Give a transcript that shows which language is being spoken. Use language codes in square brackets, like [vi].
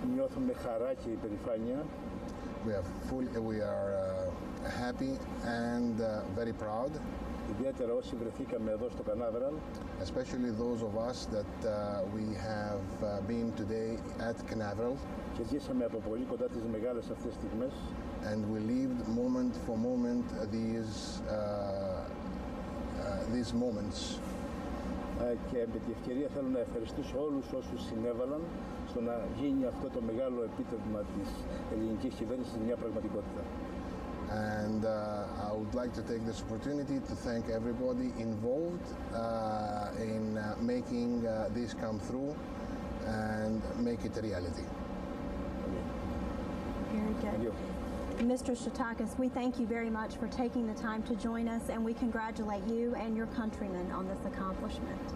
[el] Νιώθουμε χαρά και υπερηφάνεια. [en] We are happy and very proud. [el] Ιδιαίτερα όσοι βρεθήκαμε εδώ στο Κανάβεραλ. [en] Especially those of us that we have been today at Canaveral. [el] Και ζήσαμε από πολύ κοντά τις μεγάλες αυτές στιγμές. [en] And we lived moment for moment these moments. [el] Και με την ευκαιρία θέλω να ευχαριστήσω όλους όσους συνέβαλαν στο να γίνει αυτό το μεγάλο επίτευγμα της ελληνικής κυβέρνησης μια πραγματικότητα. [en] And I would like to take this opportunity to thank everybody involved in making this come through and make it a reality. Very good. Mr. Stratakis, we thank you very much for taking the time to join us, and we congratulate you and your countrymen on this accomplishment.